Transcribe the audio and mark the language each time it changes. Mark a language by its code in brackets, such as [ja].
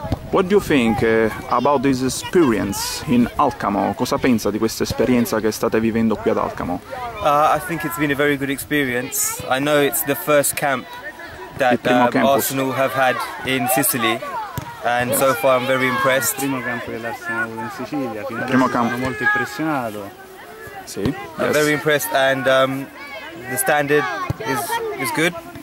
[en] What do you think about this experience in Alcamo? [it] Cosa pensa di questa esperienza che state vivendo qui ad Alcamo? [en] I think it's been a very good experience. I know it's the first camp that Arsenal have had in Sicily. And so far I'm very impressed. [it] Il primo campo dell'Arsenal in Sicilia, fino adesso sono molto impressionato. Sì. [en] I'm very impressed and the standard is good.